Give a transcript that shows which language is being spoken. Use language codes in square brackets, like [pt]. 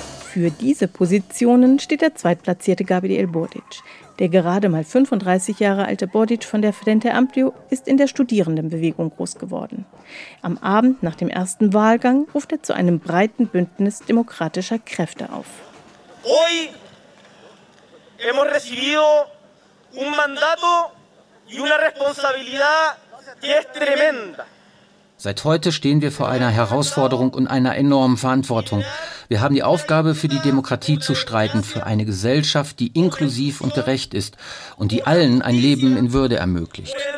[de] Für diese Positionen steht der zweitplatzierte Gabriel Boric. Der gerade mal 35 Jahre alte Boric von der Frente Amplio ist in der Studierendenbewegung groß geworden. Am Abend nach dem ersten Wahlgang ruft er zu einem breiten Bündnis demokratischer Kräfte auf. [es] Hoy hemos recibido un mandato y una responsabilidad que es tremenda. [de] Seit heute stehen wir vor einer Herausforderung und einer enormen Verantwortung. Wir haben die Aufgabe, für die Demokratie zu streiten, für eine Gesellschaft, die inklusiv und gerecht ist und die allen ein Leben in Würde ermöglicht.